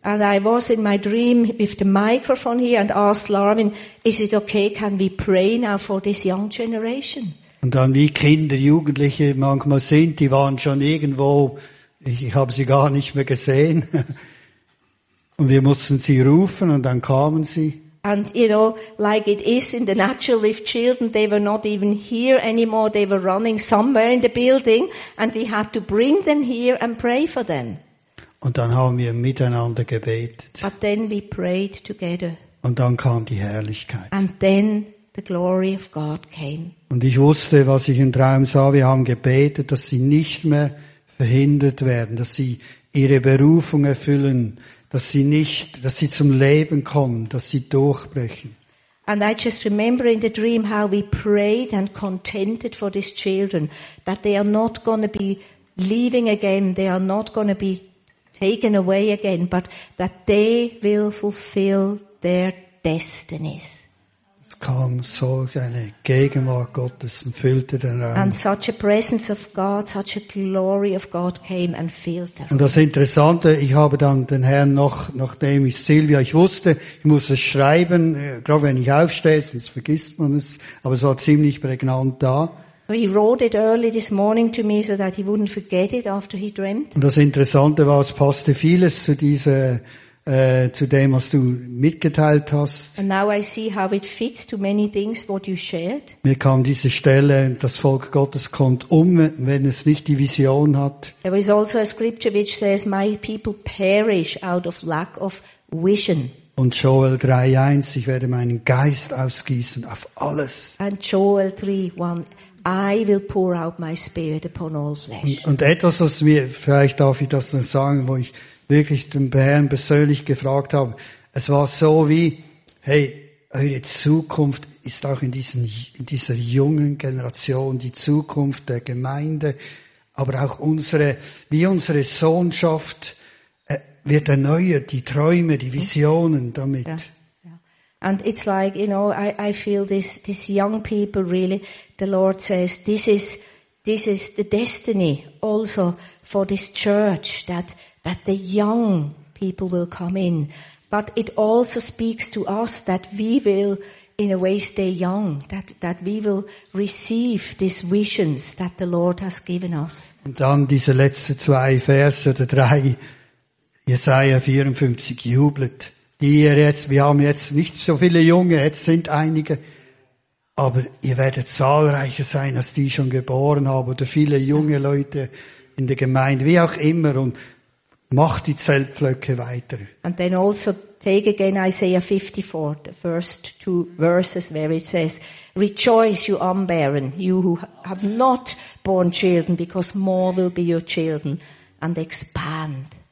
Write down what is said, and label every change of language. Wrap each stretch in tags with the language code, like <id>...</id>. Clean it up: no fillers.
<en>And I was in my dream with the microphone here and asked Larwin, is it okay, can we pray now for this young generation?</en> <de>Und dann wie Kinder, Jugendliche manchmal sind, die waren schon irgendwo, ich habe sie gar nicht mehr gesehen. Und wir mussten sie rufen und dann kamen sie.</de> <en>And you know, like it is in the natural, if children, they were not even here anymore, they were running somewhere in the building, and we had to bring them here and pray for them.</en> <de>Und dann haben wir miteinander gebetet.</de> <en>But then we prayed together.</en> <de>Und dann kam die Herrlichkeit.</de> <en>And then the glory of God came.</en> <de>Und ich wusste, was ich im Traum sah, wir haben gebetet, dass sie nicht mehr verhindert werden, dass sie ihre Berufung erfüllen, dass sie zum Leben kommen, dass sie durchbrechen.</de> <en>And I just remember in the dream how we prayed and contended for these children, that they are not going to be leaving again, they are not going to be taken away again, but that they will fulfill their destinies.</en> <de>Es kam solch eine Gegenwart Gottes und füllte den Raum.</de> <en>And such a presence of God, such a glory of God came and filled the room.</en> <de>Und das Interessante, ich habe dann den Herrn noch, nachdem ich Silvia, ich wusste, ich muss es schreiben, gerade wenn ich aufstehe, sonst vergisst man es, aber es war ziemlich prägnant da.</de> <en>So he wrote it early this morning to me so that he wouldn't forget it after he dreamt.</en> <de>Und das Interessante war, es passte vieles zu dieser zu dem, was du mitgeteilt hast.</de> <en>And now I see how it fits to many things what you shared.</en> <de>Mir kam diese Stelle, das Volk Gottes kommt um, wenn es nicht die Vision hat.</de> <en>There is also a scripture which says, my people perish out of lack of vision.</en> <de>Und Joel 3:1, ich werde meinen Geist ausgießen auf alles.</de> <en>And Joel 3:1, I will pour out my spirit upon all flesh.</en> <de>Und etwas, was mir, vielleicht darf ich das noch sagen, wo ich wirklich den Herrn persönlich gefragt habe. Es war so wie, hey, eure Zukunft ist auch in dieser jungen Generation, die Zukunft der Gemeinde, aber auch wie unsere Sohnschaft wird erneuert, die Träume, die Visionen damit. Ja.</de> <en>And it's like, you know, I feel this young people really, the Lord says, this is the destiny also for this church, that the young people will come in. But it also speaks to us that we will, in a way, stay young, that we will receive these visions that the Lord has given us.</en> <de>Und dann diese letzten zwei Verse oder drei, Jesaja 54, jublet. Wir haben jetzt nicht so viele Junge, jetzt sind einige, aber ihr werdet zahlreicher sein, als die schon geboren haben, oder viele junge Leute in der Gemeinde, wie auch immer, und macht die Zeltpflöcke weiter.</de> <en>And then also take again Isaiah 54, the first two verses where it says, rejoice you unbarren, you who have not born children, because more will be your children, and expand.</en>